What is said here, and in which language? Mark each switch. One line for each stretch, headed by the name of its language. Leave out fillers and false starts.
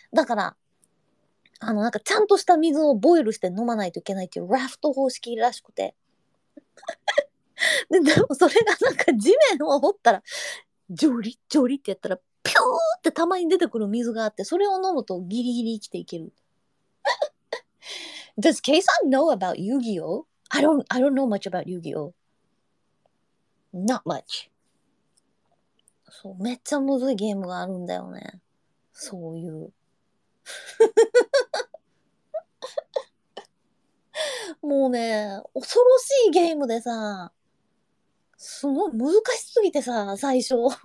Japanese: だから、なんかちゃんとした水をボイルして飲まないといけないっていうラフト方式らしくて。でもそれがなんか地面を掘ったら、ジョリジョリってやったら、ピューってたまに出てくる水があって、それを飲むとギリギリ生きていける。
English: Does Kei-san know about Yu-Gi-Oh? I don't know much about Yu-Gi-Oh. Not much.
Japanese: そう、めっちゃむずいゲームがあるんだよね。そういう。もうね、恐ろしいゲームでさ、すごい難しすぎてさ、最初。